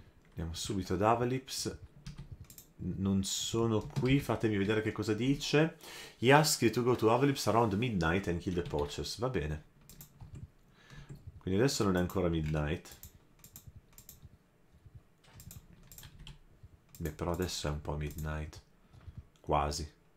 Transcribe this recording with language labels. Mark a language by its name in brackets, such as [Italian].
[Italian] Andiamo subito ad Avalips. Non sono qui, fatemi vedere che cosa dice. [English] He asked you to go to Avalips around midnight and kill the poachers. [Italian] Va bene. Quindi adesso non è ancora midnight. Beh, però adesso è un po' midnight. Quasi.